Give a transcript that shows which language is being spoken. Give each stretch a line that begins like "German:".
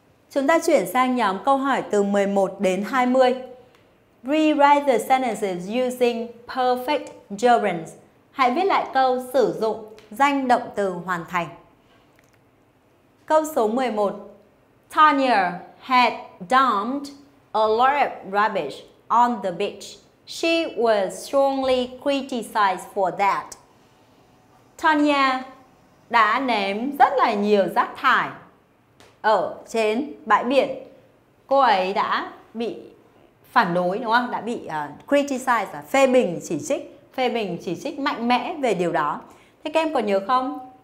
Vietnamese: Chúng ta chuyển sang nhóm câu hỏi từ 11 đến 20.
English: Rewrite the sentences using perfect gerunds.
Vietnamese: Hãy viết lại câu sử dụng danh động từ hoàn thành. Câu số 11.
English: Tanya had dumped a lot of rubbish on the beach. She was strongly criticized for that.
Vietnamese: Tanya đã ném rất là nhiều rác thải ở trên bãi biển. Cô ấy đã bị phản đối, đúng không? Đã bị criticize, phê bình chỉ trích mạnh mẽ về điều đó. Thế các em có nhớ không?